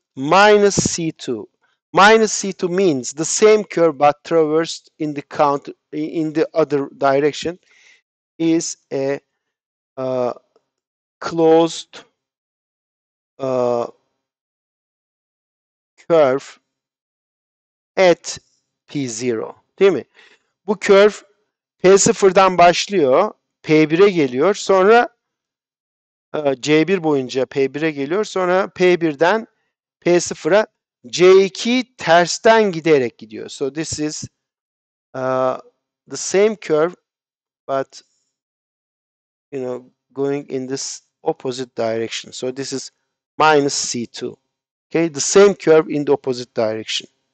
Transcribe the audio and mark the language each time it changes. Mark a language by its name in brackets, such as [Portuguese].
[English] minus c2. Minus c2 means the same curve but traversed in the count in the other direction is a closed curve at p0, [Turkish] değil mi? Bu curve p0'dan başlıyor, p1'e geliyor, sonra c1 boyunca p1'e geliyor, sonra p1'den p0'a c2 tersten giderek gidiyor. [English] So this is the same curve but you know going in this opposite direction. So this is minus c2. Okay, the same curve in the opposite direction.